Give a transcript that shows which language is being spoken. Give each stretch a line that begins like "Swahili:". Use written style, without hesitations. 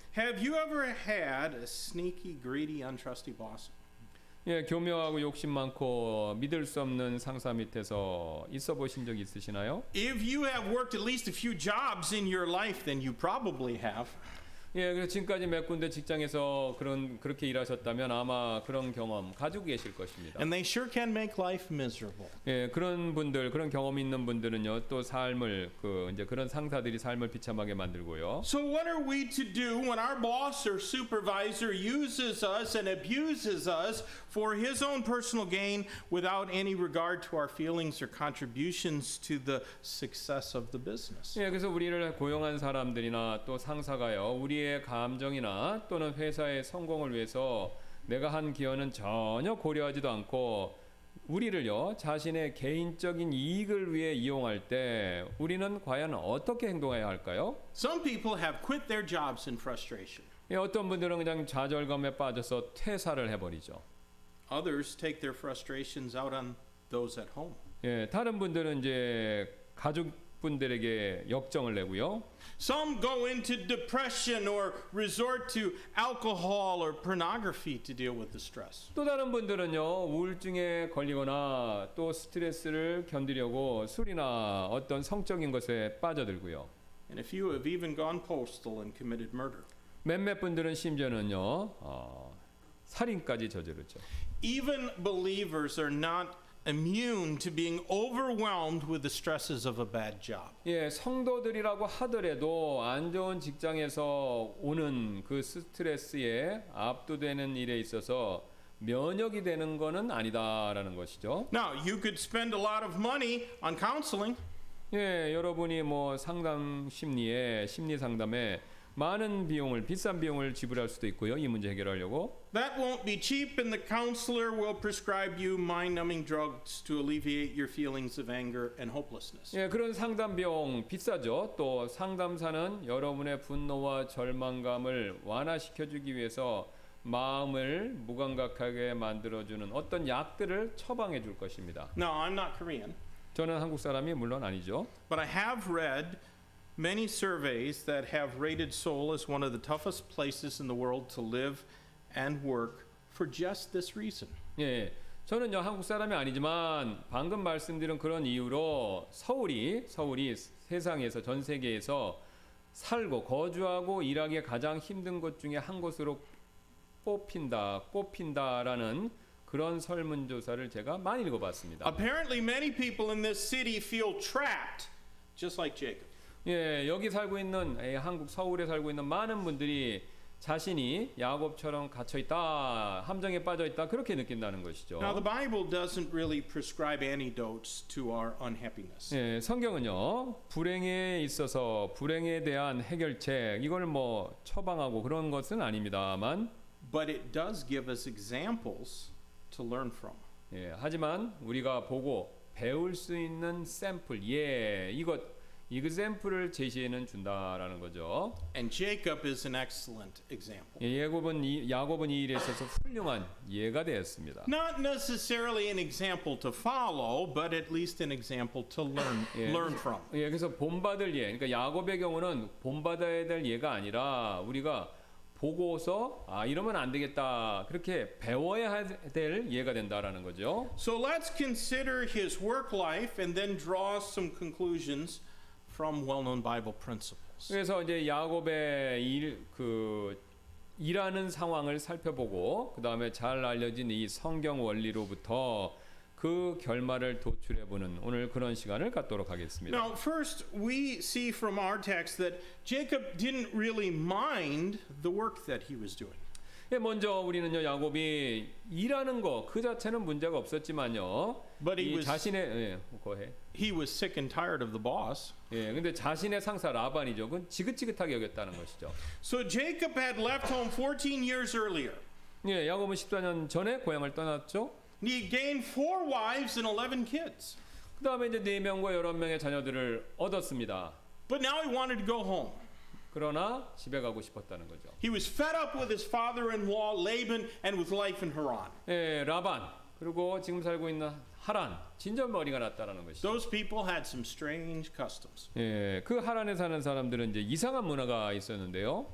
English: Have you ever had a sneaky, greedy, untrusty boss?
Korean: 예, 교묘하고 욕심 많고 믿을 수 없는 상사 밑에서 있어 보신 적 있으시나요?
English: If you have worked at least a few jobs in your life, then you probably have.
Korean: 예, 지금까지 몇 군데 직장에서 그렇게 일하셨다면 아마 그런 경험 가지고 계실 것입니다.
English: And they sure can make life miserable.
Korean: 예, 그런 분들, 그런 경험 있는 분들은요, 또 삶을 그런 상사들이 삶을 비참하게 만들고요.
English: So what are we to do when our boss or supervisor uses us and abuses us for his own personal gain without any regard to our feelings or contributions to the success of the business?
Korean: 예, 그래서 우리를 고용한 사람들이나 또 상사가요, 우리의 감정이나 또는 회사의 성공을 위해서 내가 한 기여는 전혀 고려하지도 않고 우리를요 자신의 개인적인 이익을 위해 이용할 때 우리는 과연 어떻게 행동해야 할까요?
English: Some people have quit their jobs in frustration.
Korean: 예, 어떤 분들은 그냥 좌절감에 빠져서 퇴사를 해버리죠.
English: Others take their frustrations out on those at home.
Korean: 예, 다른 분들은 이제 가족 분들에게 역정을 내고요.
English: Some go into depression or resort to alcohol or pornography to deal with the stress.
Korean: 또 다른 분들은요, 우울증에 걸리거나 또 스트레스를 견디려고 술이나 어떤 성적인 것에 빠져들고요.
English: And a few have even gone postal and committed murder.
Korean: 몇몇 분들은 심지어는요, 살인까지 저지르죠.
English: Even believers are not immune to being overwhelmed with the stresses of a bad job.
Korean: 예, 성도들이라고 하더라도 안 좋은 직장에서 오는 그 스트레스에 압도되는 일에 있어서 면역이 되는 것은 아니다라는 것이죠.
English: Now you could spend a lot of money on counseling.
Korean: 예, 여러분이 뭐 상담 심리에 심리 상담에 많은 비용을 비싼 비용을 지불할 수도 있고요. 이 문제 해결하려고.
English: That won't be cheap and the counselor will prescribe you mind-numbing drugs to alleviate your feelings of anger and hopelessness.
Korean: 예, 그런 상담 비용 비싸죠. 또 상담사는 여러분의 분노와 절망감을 완화시켜 주기 위해서 마음을 무감각하게 만들어 주는 어떤 약들을 처방해 줄 것입니다.
English: No, I'm not Korean.
Korean: 저는 한국 사람이 물론 아니죠.
English: But I have read many surveys that have rated Seoul as one of the toughest places in the world to live and work for just this reason.
Korean: 예, 저는요 한국 사람이 아니지만 방금 말씀드린 그런 이유로 서울이 세상에서 전 세계에서 살고 거주하고 일하기 가장 힘든 곳 중에 한 곳으로 꼽힌다라는 그런 설문조사를 제가 많이 읽어봤습니다.
English: Apparently, many people in this city feel trapped, just like Jacob.
Korean: 예, 여기 살고 있는 한국 서울에 살고 있는 많은 분들이 자신이 야곱처럼 갇혀 있다, 함정에 빠져 있다 그렇게 느낀다는 것이죠.
English: Now the Bible doesn't really prescribe antidotes to our unhappiness.
Korean: 예, 성경은요 불행에 있어서 불행에 대한 해결책 이걸 뭐 처방하고 그런 것은 아닙니다만.
English: But it does give us examples to learn from.
Korean: 예, 하지만 우리가 보고 배울 수 있는 샘플, 예, 이것. 예그샘플을 제시해는 준다라는 거죠.
English: And Jacob is an excellent example.
Korean: 야곱은 이 일에 있어서 훌륭한 예가 되었습니다.
English: Not necessarily an example to follow, but at least an example to learn from.
Korean: 예, 그래서 본받을 예. 그러니까 야곱의 경우는 본받아야 될 예가 아니라 우리가 보고서 아 이러면 안 되겠다 그렇게 배워야 될 예가 된다라는 거죠.
English: So let's consider his work life and then draw some conclusions from well-known Bible principles.
Korean: 그래서 이제 야곱의 일하는 상황을 살펴보고 그다음에 잘 알려진 이 성경 원리로부터 그 결말을 도출해 보는 오늘 그런 시간을 갖도록 하겠습니다.
English: Now, first, we see from our text that Jacob didn't really mind the work that he was doing.
Korean: 예, 먼저 우리는요 야곱이 일하는 거 그 자체는 문제가 없었지만요.
English: But he was
Korean: 자신의 예, 거해.
English: He was sick and tired of the boss.
Korean: 예, 근데 자신의 상사 라반이죠. 그건 지긋지긋하게 여겼다는 것이죠.
English: So Jacob had left home 14 years earlier.
Korean: 예, 야곱은 14년 전에 고향을 떠났죠.
English: He gained four wives and 11 kids.
Korean: 그 다음에 이제 네 명과 여러 명의 자녀들을 얻었습니다.
English: But now he wanted to go home.
Korean: 그러나 집에 가고 싶었다는 거죠.
English: He was fed up with his father-in-law Laban and with life in Haran.
Korean: 예, 라반 그리고 지금 살고 있는 하란 진절머리가 났다라는 것이죠.
English: Those people had some strange customs.
Korean: 예, 그 하란에 사는 사람들은 이제 이상한 문화가 있었는데요.